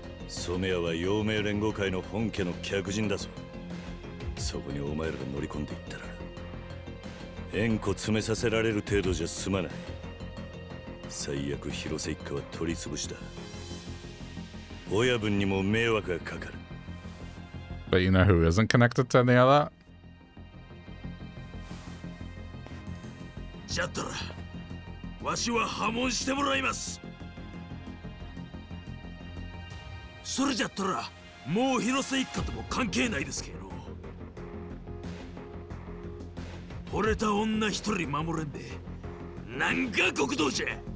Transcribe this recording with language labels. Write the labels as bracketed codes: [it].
[ja] ソメアは陽明連合会の本家の客人だぞ。そこにお前らが乗り込んでいったら縁故詰めさせられる程度じゃ済まない。最悪広瀬一家は取り潰しだ。親分にも迷惑がかかる。 [en] But you know who isn't connected to any of that? [ja] じゃったらわしは破門してもらいます。それじゃったらもう広瀬一家とも関係ないですけど、惚れた女一人守れんで何が極道じゃ。